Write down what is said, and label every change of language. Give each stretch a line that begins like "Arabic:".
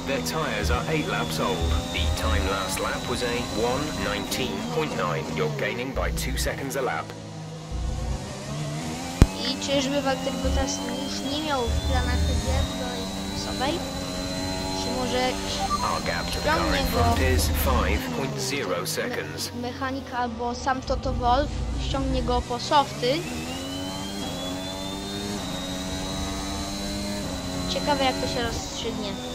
English: Their tyres are 8 laps old. The time last lap was a 1:19.9. You're gaining by 2 seconds a lap.
Polish: I czyżby Valtteri Bottas już nie miał w planach gier do sobie? Czy może ściągnie go?
English: Our gap to the car is 5.0 seconds.
Polish: Mechanik albo sam Toto Wolff ściągnie go po softy. Ciekawe, jak to się rozstrzygnie.